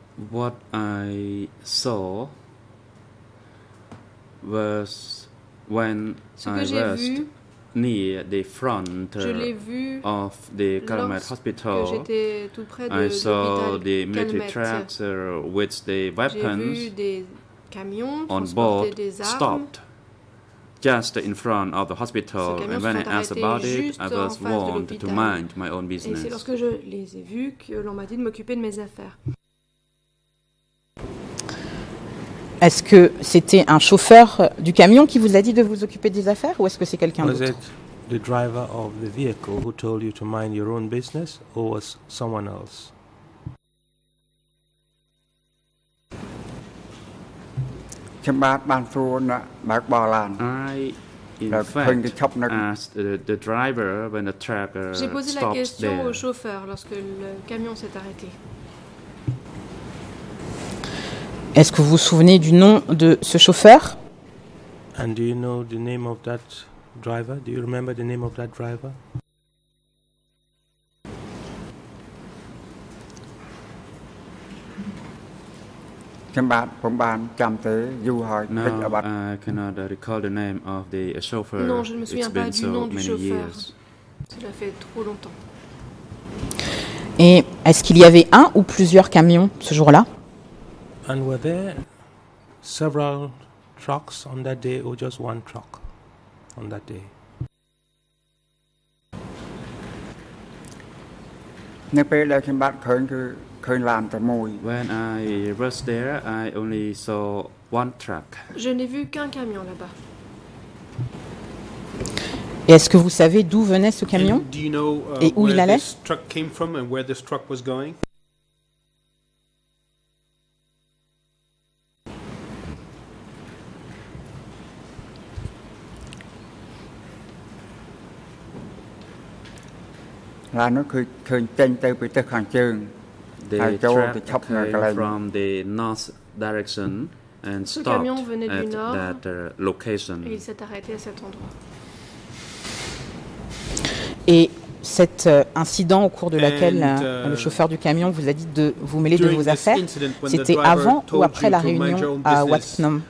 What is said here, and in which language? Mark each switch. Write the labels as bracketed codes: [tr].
[en] What I saw was when I was near the front of the Calumet Hospital, I saw the military tractor with the weapons on board stopped just in front of the hospital, and when I asked about it, I was warned to mind my own business. [fr] Et c'est lorsque je les ai vus que l'on m'a dit de m'occuper de mes affaires. Est-ce que c'était un chauffeur du camion qui vous a dit de vous occuper des affaires, ou est-ce que c'est quelqu'un d'autre? [en] Was it the driver of the vehicle who told you to mind your own business, or was someone else? I, in fact, asked the driver when the tractor stopped there. [fr] J'ai posé la question au chauffeur lorsque le camion s'est arrêté. Est-ce que vous vous souvenez du nom de ce chauffeur? [en] And do you know the name of that driver? Do you remember the name of that driver? No, I cannot recall the name of the chauffeur. [fr] Non, je ne me souviens pas du nom du chauffeur. Cela fait trop longtemps. Et est-ce qu'il y avait un ou plusieurs camions ce jour-là? [en] And were there several trucks on that day or just one truck on that day? When I was there, I only saw one truck. [fr] Je n'ai vu qu'un camion là-bas. Et est-ce que vous savez d'où venait ce camion? [en] Do you know, [fr] et où [en] where [fr] il allait? [en] This truck came from and where this truck was going? Là nó cứ thường tranh tới bị tức hàng trường. The truck came from the north direction and stopped at that location. [fr] Et il s'est arrêté à cet endroit. Et cet incident au cours de laquelle le chauffeur du camion vous a dit de vous mêler de vos affaires, incident, c'était avant ou après la réunion à Wat Phnom?